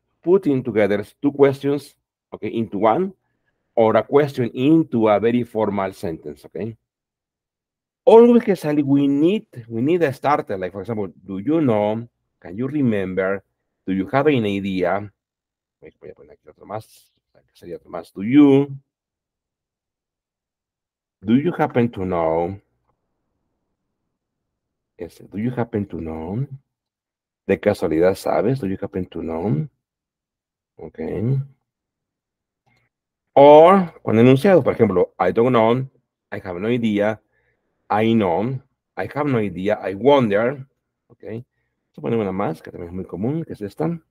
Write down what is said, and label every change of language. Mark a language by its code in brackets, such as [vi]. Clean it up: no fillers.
[en] Putting together two questions, okay, into one, or a question into a very formal sentence, okay? Always, we need a starter, like, for example, do you know, can you remember, do you have an idea? [es] Voy a poner aquí otro más, sería otro más. [en] Do you happen to know? Este, do you happen to know? [es] De casualidad, ¿sabes? [en] Do you happen to know? Okay. Or, [es] cuando enunciado, por ejemplo, [en] I don't know, I have no idea. I know, I have no idea, I wonder, okay. [es] Vamos a poner una más, que también es muy común, que es esta.